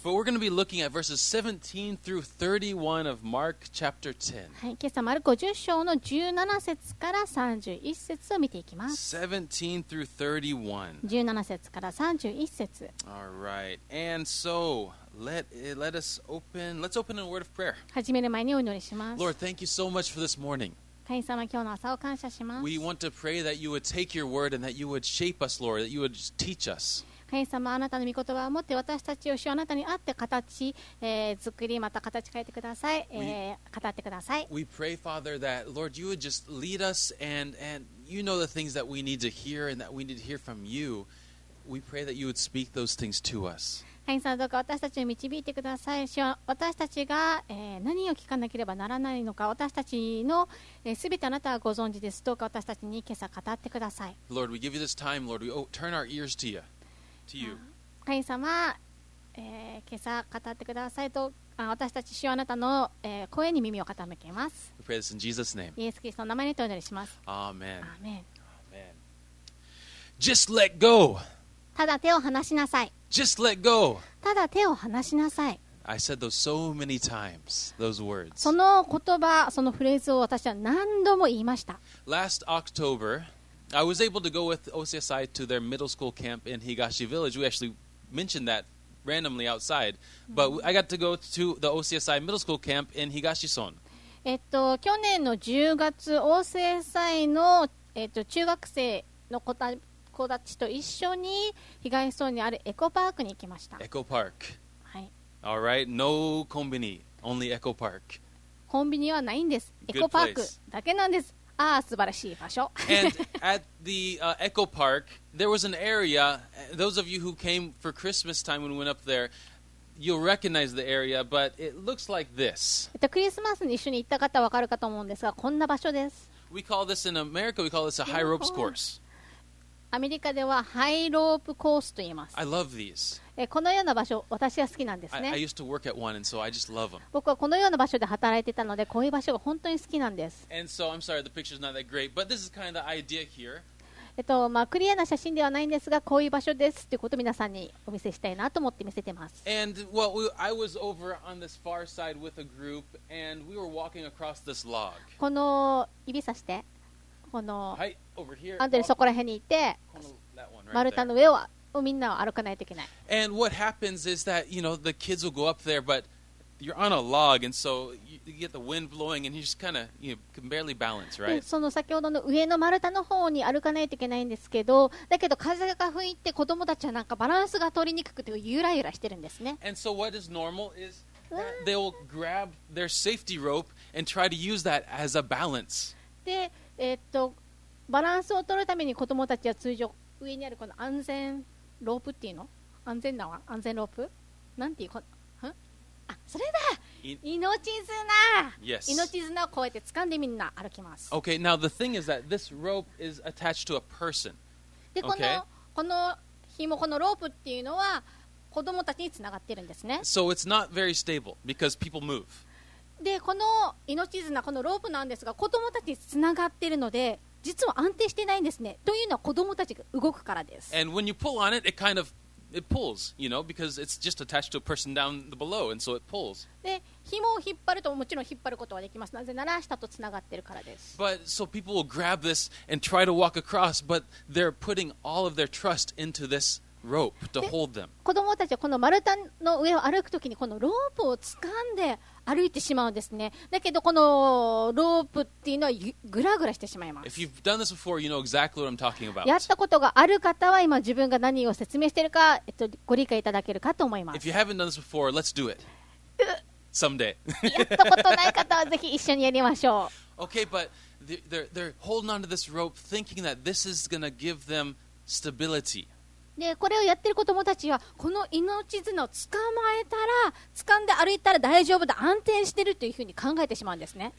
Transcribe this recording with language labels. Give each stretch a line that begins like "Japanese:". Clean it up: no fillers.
English: But we're going to be looking at verses 17 through 31 of Mark chapter 10.
Japanese: はい、今朝マルコ10章の17節から31節を見ていきます。
English: 17 through 31.
Japanese: 17節から31節。
English: All right. And so, let's open in a word of prayer.
Japanese: 始める前にお祈りします。
English: Lord, thank you so much for this morning.
Japanese: 神様、今日の朝を感謝します。
English: We want to pray that you would take your word and that you would shape us, Lord, that you would teach us.
Japanese: 神様、あなたの御言葉を持って私たちを主あなたに会って形、作り、また形変えてください。語ってください。
English: We pray, Father, that, Lord, you would just lead us and you know the things that we need to hear and that we need to hear from you. We pray that you would speak those things to us.
Japanese: 神様、どうか私たちを導いてください。主は私たちが、何を聞かなければならないのか、私たちの、全てあなたはご存知です。どうか私たちに今朝語ってください。
English: Lord, we give you this time, Lord. We turn our ears to you. To you.
Japanese: 神様、今朝語ってください。どうか私たち主はあなたの、声に耳を傾けます。
English: We pray this in Jesus' name.
Japanese: イエス・キリストの名前でお祈りします。
English: Amen. Amen. Amen. Just let go.
Japanese: ただ手を離しなさい。
English: Just let go.
Japanese: ただ手を離しなさい。
English: I said those so many times, those words.
Japanese: その言葉、そのフレーズを私は何度も言いました。
English: Last October, I was able to go with OCSI to their middle school camp in Higashi Village. We actually mentioned that randomly outside. But I got to go to the OCSI middle school camp in Higashi-son.
Japanese: 去年の10月、OCSI の、中学生の子たち子たちと一緒に東村にあるエコパークに行きました。エコパーク。はい。
English: All right. No combini. Only Echo Park.
Japanese: コンビニはないんです。エコパークだけなんです。ああ、素晴らしい場所。
English: And at the Echo Park, there was an area. Those of you who came for Christmas time when we went up there, you'll recognize the area, but it looks like this.
Japanese: クリスマスに一緒に行った方はわかるかと思うんですが、こんな場所です。
English: We call this in America. We call this a high ropes course.
Japanese: アメリカではハイロープコースと言います。
English: I love these.
Japanese: このような場所、私は好きなんですね。
English: I used to work at one, and so I just love them.
Japanese: 僕はこのような場所で働いてたので、こういう場所が本当に好きなんです。
English: And so, I'm sorry, the picture's not that great, but this is kind of the idea here.
Japanese: まあ、クリアな写真ではないんですが、こういう場所ですということを皆さんにお見せしたいなと思って見せてます。
English: And, well, I was over on this far side with a group, and we were walking across this log.
Japanese: この指さして。この
English: はい、over here.
Japanese: アンドレそこら辺にいて、丸太の上をみんなは歩かないといけない。
English: And what happens is that, you know, the kids will go up there, but you're on a log, and so you get the wind blowing, and you just kind of, you know, can barely balance, right?
Japanese: その先ほどの上の丸太の方に歩かないといけないんですけど、だけど風が吹いて子供たちはなんかバランスが取りにくくてゆらゆらしてるんですね。
English: And so what is normal is that they will grab their safety rope and try to use that as a balance.
Japanese: で、バランスを取るために子どもたちは通常上にあるこの安全ロープっていうの安全縄安全ロープなんていうこんあそれだ命綱、
English: yes.
Japanese: 命綱をこうやって掴んでみんな歩きます
English: OK, now the thing is that this rope is attached to a person.
Japanese: で、
English: okay.
Japanese: この紐このロープっていうのは子どもたちにつながってるんですね
English: So it's not very stable because people move.
Japanese: でこの命綱このロープなんですが子供たちにつながっているので実は安定してないんですねというのは子供たちが動くからです
English: And when you pull on it, it kind of it pulls, you know, because it's just attached to a person down below, and so it pulls.
Japanese: で紐を引っ張るともちろん引っ張ることはできますなぜなら下とつながっているからです
English: But so people will grab this and try to walk across, but they're putting all of their trust into thisRope to hold them.
Japanese: 子供たちはこの丸太の上を歩くときにこのロープを掴んで歩いてしまうんですね。だけどこのロープっていうのはグラグラしてしまいます。
English: If you've done this before, you know exactly what I'm talking about.
Japanese: やったことがある方は今自分が何を説明しているか、ご理解いただけるかと思います。
English: If you haven't done this before, let's do it. Someday.
Japanese: やったことない方はぜひ一緒にやりましょう。
English: Okay, but they're holding onto this rope, thinking that this is going to give them stability.
Japanese: でこれをやってる子供たちはこの命綱を捕まえたら掴んで歩いたら大丈夫だ安定してるというふうに考えてしまうんですね